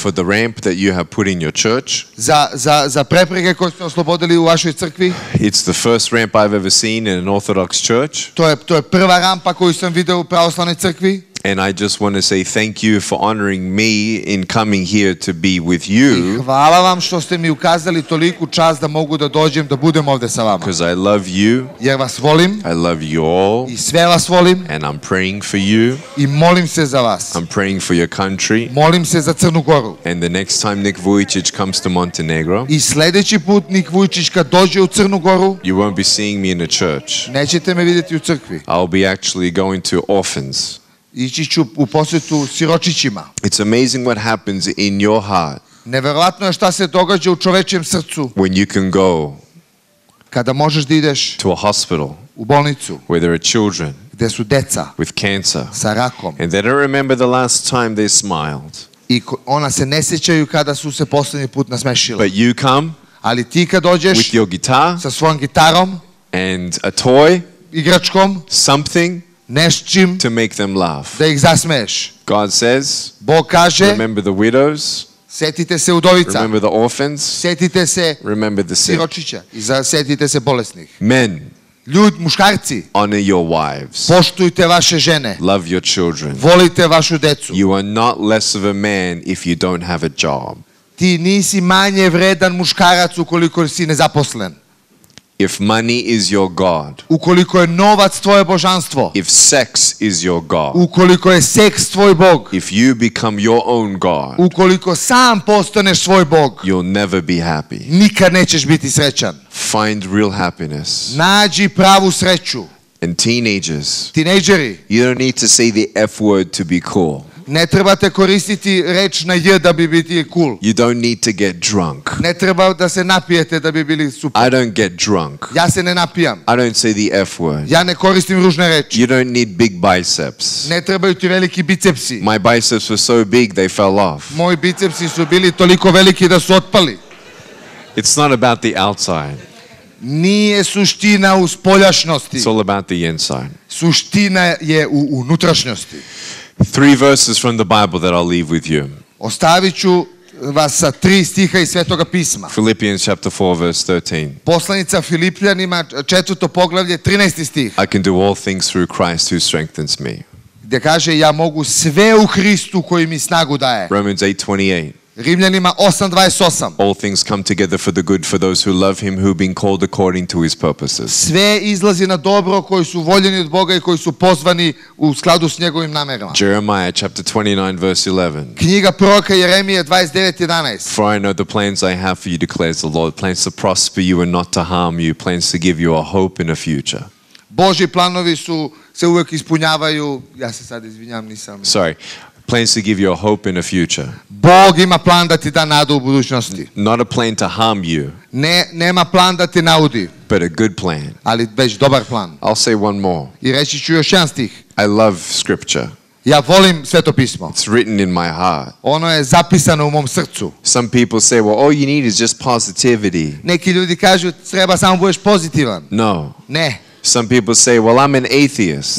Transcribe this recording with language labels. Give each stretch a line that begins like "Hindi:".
English: For the ramp that you have put in your church.
Serbian: Za prepreke koje ste oslobodili u vašoj crkvi.
English: It's the first ramp I've ever seen in an Orthodox church.
Serbian: To je prva rampa koju sam video u pravoslavnoj crkvi.
English: And I just want to say thank you for honoring me in coming here to be with you.
Serbian: Hvala vam što ste mi ukazali toliku čast da mogu da dođem da budem ovde sa vama.
English: Because I love you.
Serbian: Jer vas volim.
English: I love you all.
Serbian: I sve vas volim.
English: And I'm praying for you.
Serbian: I molim se za vas.
English: I'm praying for your country.
Serbian: Molim se za Crnu Goru.
English: And the next time Nik Vujicic comes to Montenegro.
Serbian: I sledeći put Nik Vujicic kad dođe u Crnu Goru.
English: You won't be seeing me in a church.
Serbian: Nećete me videti u crkvi.
English: I'll be actually going to orphans.
Serbian: Ići ću u posetu siročićima.
English: It's amazing what happens in your heart.
Serbian: Neverovatno je šta se događa u čovečijem srcu.
English: When you can go.
Serbian: Kada možeš da ideš.
English: To a hospital.
Serbian: U bolnicu.
English: Where there are children.
Serbian: Gde su deca.
English: With cancer.
Serbian: Sa rakom.
English: And they don't remember the last time they smiled.
Serbian: I ona se ne sećaju kada su se poslednji put nasmešili.
English: But you come.
Serbian: Ali ti kad dođeš.
English: With your guitar.
Serbian: Sa svojom gitarom.
English: And a toy.
Serbian: Igračkom.
English: Something.
Serbian: Nešćim,
English: to make them laugh.
Serbian: Da ih zasmeješ.
English: God says,
Serbian: Bog kaže,
English: remember the widows.
Serbian: Setite se udovica.
English: Remember the orphans.
Serbian: Setite se.
English: Remember the sick.
Serbian: Siročića. I setite se bolesnih.
English: Men.
Serbian: Ljudi, muškarci.
English: Honor your wives.
Serbian: Poštujte vaše žene.
English: Love your children.
Serbian: Volite vašu decu.
English: You are not less of a man if you don't have a job.
Serbian: Ti nisi manje vredan muškarac ukoliko si nezaposlen.
English: If money is your god.
Serbian: Ukoliko je novac tvoje božanstvo.
English: If sex is your god.
Serbian: Ukoliko je seks tvoj bog.
English: If you become your own god.
Serbian: Ukoliko sam postaneš svoj bog.
English: You'll never be happy.
Serbian: Nikad nećeš biti srećan.
English: Find real happiness.
Serbian: Nađi pravu sreću.
English: And teenagers.
Serbian: Tinejdžeri.
English: You don't need to say the F word to be cool.
Serbian: Ne trebate koristiti reč na J da bi biti cool.
English: You don't need to get drunk.
Serbian: Ne treba da se napijete da bi bili super.
English: I don't get drunk.
Serbian: Ja se ne napijam.
English: I don't say the F word.
Serbian: Ja ne koristim ružne reči.
English: You don't need big biceps.
Serbian: Ne trebaju ti veliki bicepsi.
English: My biceps were so big they fell off.
Serbian: Moji bicepsi su bili toliko veliki da su otpali.
English: It's not about the outside.
Serbian: Nije suština u spoljašnosti.
English: It's all about the inside.
Serbian: Suština je u unutrašnjosti.
English: Three verses from the Bible that I'll leave with you.
Serbian: Ostavit ću vas sa tri stiha iz Svetoga pisma.
English: Philippians chapter 4 verse 13.
Serbian: Poslanica Filipljanima, četvrto poglavlje, 13. stih.
English: I can do all things through Christ who strengthens me.
Serbian: Gdje kaže, ja mogu sve u Hristu koji mi snagu daje.
English: Romans 8:28.
Serbian: Rimljanima 8:28.
English: All things come together for the good for those who love him who have been called according to his purposes.
Serbian: Sve izlazi na dobro koji su voljeni od Boga i koji su pozvani u skladu s njegovim namerama.
English: Jeremiah chapter 29 verse 11.
Serbian: Knjiga proroka Jeremije 29:11.
English: For I know the plans I have for you declares the Lord, plans to prosper you and not to harm you, plans to give you a hope and a future.
Serbian: Boži planovi su se uvek ispunjavaju. Ja se sad izvinjam, nisam.
English: Sorry. Plans to give you a hope in a future.
Serbian: Bog ima plan da ti da nadu u budućnosti.
English: Not a plan to harm you.
Serbian: Ne, nema plan da ti naudi.
English: But a good plan.
Serbian: Ali već dobar plan.
English: I'll say one more.
Serbian: I reći ću još jedan stih.
English: I love scripture.
Serbian: Ja volim Sveto pismo.
English: It's written in my heart.
Serbian: Ono je zapisano u mom srcu.
English: Some people say, well, all you need is just positivity.
Serbian: Neki ljudi kažu, treba samo budeš pozitivan.
English: No.
Serbian: Ne.
English: Some people say, well, I'm an atheist.